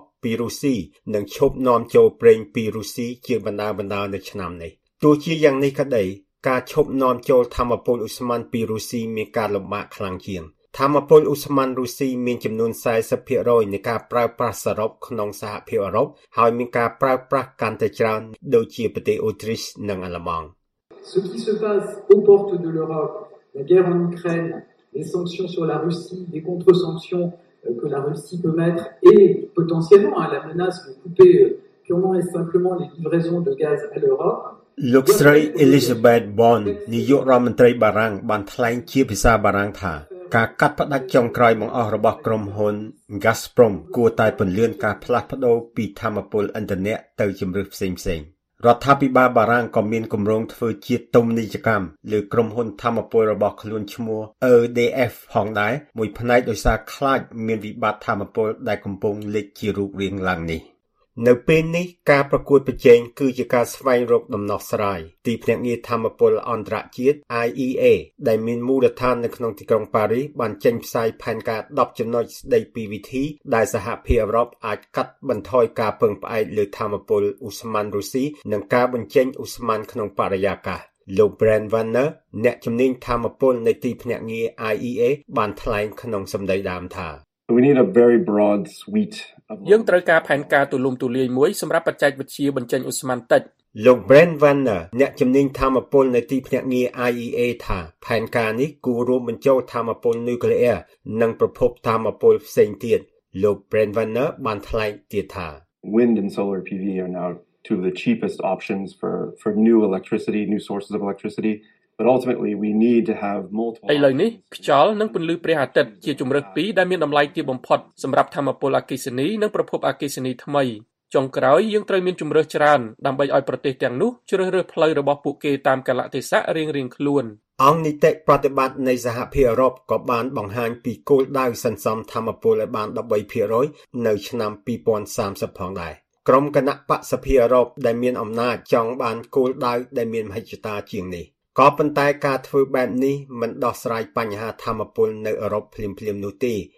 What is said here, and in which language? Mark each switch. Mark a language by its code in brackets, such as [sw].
[km] ពីរុស្ស៊ីនិងឈប់នាំចូលប្រេងពីរុស្ស៊ីជាបណ្ដាបណ្ដានៅឆ្នាំនេះទោះជាយ៉ាងនេះក្តីការឈប់នាំចូលធម្មពលឧស្ម័នពីរុស្ស៊ីមានការលំបាកខ្លាំងជាងធម្មពលឧស្ម័នរុស្ស៊ីមានចំនួន 40% នៃការប្រើប្រាស់សរុបក្នុងសហភាពអឺរ៉ុបហើយមានការប្រើប្រាស់កាន់តែច្រើនដូចជាប្រទេសអូទ្រីសនិងអាល្លឺម៉ង់ [fr] Ce qui se passe aux portes de l'Europe, la guerre en Ukraine, les sanctions sur la Russie, les contre-sanctions que la Russie peut mettre et potentiellement la menace de couper purement et simplement les livraisons de gaz à l'Europe. [km] លោកស្រី Elizabeth Bond នាយករដ្ឋមន្ត្រីបារាំងបានថ្លែងជាភាសាបារាំងថាការកាត់ផ្តាច់ចុងក្រោយបង្អស់របស់ក្រុមហ៊ុន Gazprom គួរតែពន្យារការផ្លាស់ប្តូរពីធម្មពលឥន្ធនៈទៅជម្រើសផ្សេងផ្សេងរដ្ឋាភិបាលបារាំងក៏មានគម្រោងធ្វើជាទំនិញកម្មឬក្រុមហ៊ុនធម្មពលរបស់ខ្លួនឈ្មោះ EDF ផងដែរមួយផ្នែកដោយសារខ្លាចមានវិបត្តិធម្មពលដែលកំពុងលេចជារូបរាងឡើងនេះ នៅពេលនេះការប្រកួតប្រជែងគឺជាការស្វែងរកដំណោះស្រាយទីភ្នាក់ងារធម្មពលអន្តរជាតិ IEA ដែលមានមូលដ្ឋាននៅក្នុងទីក្រុងប៉ារីសបានចេញផ្សាយផែនការ10ចំណុចស្តីពីវិធីដែលសហភាពអឺរ៉ុបអាចកាត់បន្ថយការពឹងផ្អែកលើធម្មពលឧស្ម័នរុស្ស៊ីនិងការបញ្ចេញឧស្ម័នក្នុងបរិយាកាសលោក Brent Vanner អ្នកជំនាញធម្មពលនៃទីភ្នាក់ងារ IEA បានថ្លែងក្នុងសម្ដីដើមថា [en] We need a very broad suite of [km] យើងត្រូវការផែនការទូលំទូលាយមួយសម្រាប់បច្ចេកវិទ្យាបញ្ចេញឧស្ម័នតិច លោក Brent Vanner អ្នកជំនាញធម្មពលនៅទីភ្នាក់ងារ IEA ថាផែនការនេះគួររួមបញ្ចូលធម្មពលនុយក្លេអ៊ែរនិងប្រភពធម្មពលផ្សេងទៀតលោក Brent Vanner បានថ្លែងទៀតថា [en] Wind and solar PV are now two of the cheapest options for new electricity new sources of electricity. But ultimately we need to have multiple [km] ឥឡូវនេះខ្យល់និងពន្លឺព្រះអាទិត្យជាជំរើសពីរដែលមានតម្លៃទាបបំផុតសម្រាប់ធម្មពលអាកាសនីនិងប្រភពអាកាសនីថ្មីចុងក្រោយយើងត្រូវមានជំរើសច្រើនដើម្បីឲ្យប្រទេសទាំងនោះជ្រើសរើសផ្លូវរបស់ពួកគេតាមកលៈទេសៈរៀងៗខ្លួន អង្គនីតិប្រតិបត្តិនៃសហភាពអឺរ៉ុបក៏បានបង្ហាញពីគោលដៅសន្សំធម្មពលឲ្យបាន 13% នៅឆ្នាំ2030ផងដែរក្រុមគណៈបក្សសភាអឺរ៉ុបដែលមានអំណាចចង់បានគោលដៅដែលមានមហិច្ឆតាជាងនេះក៏ប៉ុន្តែការធ្វើបែបនេះមិនដោះស្រាយបញ្ហាធម្មពលនៅអឺរ៉ុបភ្លាមៗនោះទេ